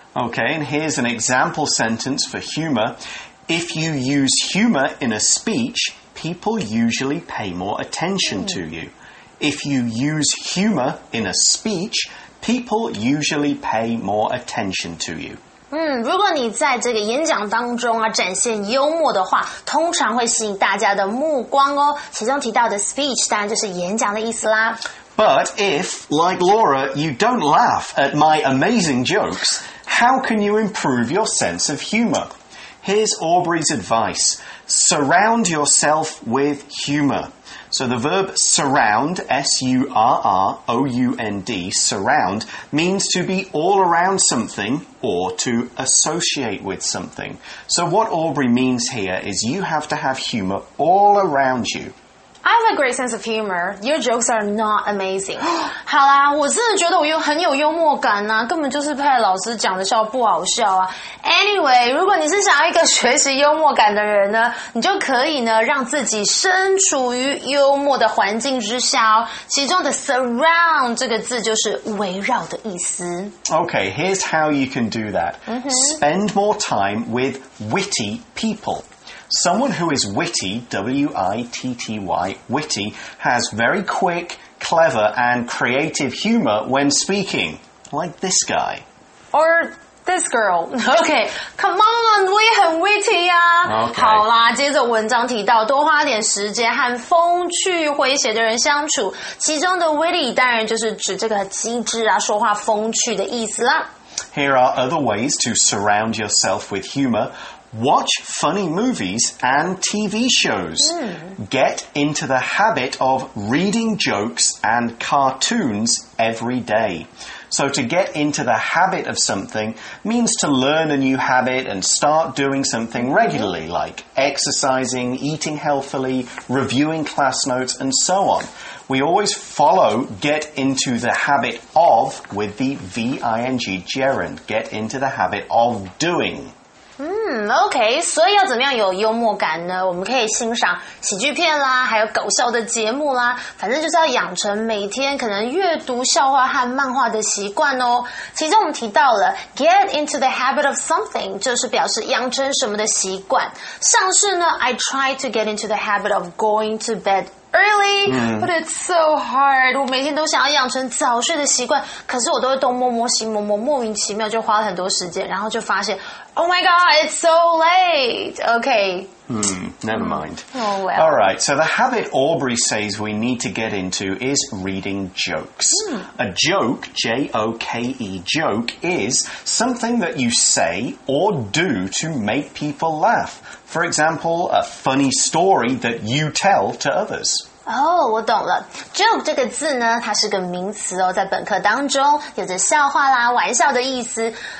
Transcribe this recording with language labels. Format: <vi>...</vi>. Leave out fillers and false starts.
<en>Okay, and here's an example sentence for humor. If you use humor in a speech, people usually pay more attention to you. If you use humor in a speech, people usually pay more attention to you.</en> <zh>如果你在这个演讲当中啊展现幽默的话，通常会吸引大家的目光哦。其中提到的 speech 当然就是演讲的意思啦。</zh> <en>But if, like Laura, you don't laugh at my amazing jokes, how can you improve your sense of humor? Here's Aubrey's advice. Surround yourself with humor. So the verb surround, S-U-R-R-O-U-N-D, surround, means to be all around something or to associate with something. So what Aubrey means here is you have to have humor all around you. I have a great sense of humor. Your jokes are not amazing.</en> <zh>好啦，我真的觉得我有很有幽默感啊，根本就是派老师讲的笑不好笑啊。</zh> <en>Anyway,</en> <zh>如果你是想要一个学习幽默感的人呢，你就可以呢让自己身处于幽默的环境之下哦。其中的 surround 这个字就是围绕的意思。</zh> <en>Okay, here's how you can do that.、 Mm-hmm. Spend more time with witty people. Someone who is witty, W-I-T-T-Y, witty, has very quick, clever, and creative humor when speaking. Like this guy. Or... This girl, okay, come on,</en> <zh>我也很</zh> <en>witty</en> <zh>呀、啊。</zh> <en>Okay.</en> <zh>好啦，接着文章提到，多花点时间和风趣诙谐的人相处。其中的 witty 当然就是指这个机智啊，说话风趣的意思啦。</zh> <en>Here are other ways to surround yourself with humor. Watch funny movies and TV shows. Get into the habit of reading jokes and cartoons every day. So to get into the habit of something means to learn a new habit and start doing something regularly, like exercising, eating healthily, reviewing class notes, and so on. We always follow get into the habit of with the V-I-N-G gerund, get into the habit of doing.</en> <zh>OK, 所以要怎么样有幽默感呢？我们可以欣赏喜剧片啦，还有搞笑的节目啦，反正就是要养成每天可能阅读笑话和漫画的习惯哦。其中我们提到了</zh> <en>get into the habit of something,</en> <zh>就是表示养成什么的习惯。像是呢</zh> <en>I try to get into the habit of going to bed early,、but it's so hard.</en> <zh>我每天都想要养成早睡的习惯，可是我都会东摸摸西摸摸，莫名其妙就花了很多时间，然后就发现</zh> <en>Oh my god, it's so late! Okay. Never mind. Oh well. Alright, so the habit Aubrey says we need to get into is reading jokes. A joke, J-O-K-E, joke, is something that you say or do to make people laugh. For example, a funny story that you tell to others.</en> <zh>哦、oh, 我懂了。 Joke 这个字呢它是个名词哦，在本课当中有着笑话啦玩笑的意思。</zh>